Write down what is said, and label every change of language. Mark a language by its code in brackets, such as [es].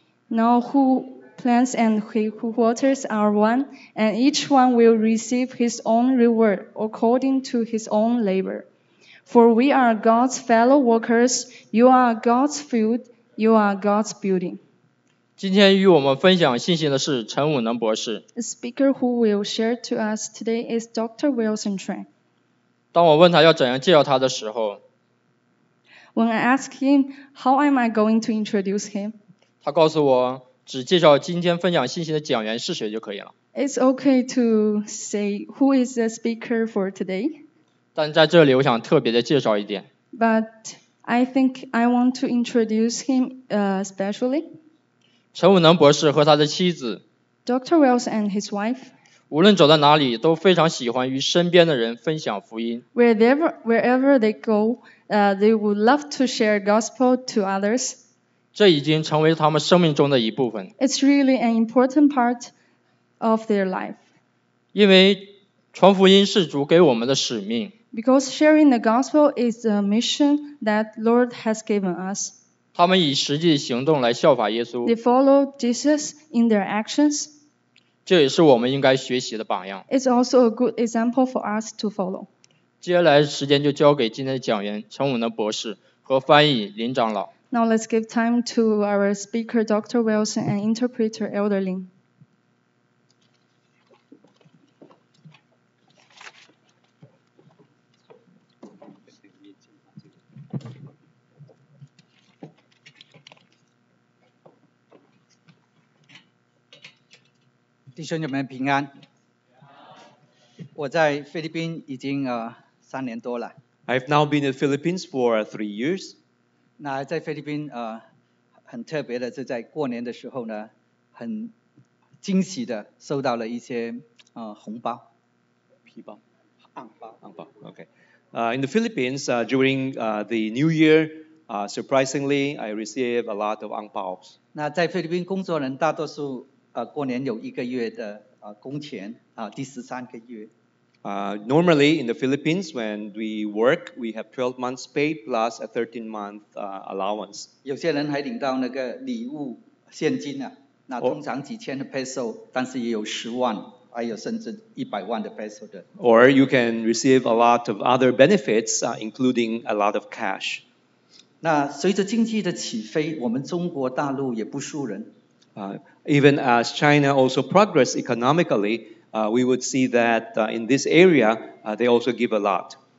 [en] Now who plants and he who waters are one, and each one will receive his own reward according to his own labor. For we are God's fellow workers, you are God's field, you are God's building. [zh] 今天与我们分享信息的是陈武能博士。 [en] The speaker who will share to us today is Dr. Wilson Tran. [zh] 当我问他要怎样介绍他的时候 [en] ，When I ask him how am I going to introduce him， [zh] 他告诉我只介绍今天分享信息的讲员是谁就可以了。 [en] It's okay to say who is the speaker for today. [zh] 但在这里，我想特别的介绍一点。 [en] But I think I want to introduce him specially. [zh] 陈武能博士和他的妻子 [en] Dr. Wells and his wife [zh] 无论走在哪里都非常喜欢与身边的人分享福音。 [en] Wherever they go, they would love to share gospel to others. [zh] 这已经成为他们生命中的一部分。 [en] It's really an important part of their life. [zh] 因为传福音是主给我们的使命。 [en] Because sharing the gospel is a mission that Lord has given us. [zh] 他们以实际行动来效法耶稣。 [en] They follow Jesus in their actions. [zh] 这也是我们应该学习的榜样。 [en] It's also a good example for us to follow. [zh] 接下来时间就交给今天的讲员陈武能博士和翻译林长老。 [en] Now let's give time to our speaker Dr. Wilson and interpreter Elder Lin. [zh] 弟兄姐妹平安。我在菲律宾已经三年多了。 [en] I've now been in the Philippines for 3 years. [zh] 那在菲律宾很特别的是在过年的时候呢，很惊喜的收到了一些红包。皮包。昂包。昂包。Okay. [en] In the Philippines, during the New Year,surprisingly, I receive a lot of ang pao. [zh] 那在菲律宾工作人大多数过年有一个月的工钱第十三个月。 [en] Normally in the Philippines, when we work, we have 12 months pay plus a 13 month allowance. [zh] 有些人还领到那个礼物现金啊，那通常几千的 peso， 但是也有十万。还有甚至100万的 peso 的。 [en] Or you can receive a lot of other benefits, including a lot of cash. [zh] 那随着经济的起飞，我们中国大陆也不输人。 [en] Even as China also progress economically, we would see that in this area, they also give a lot.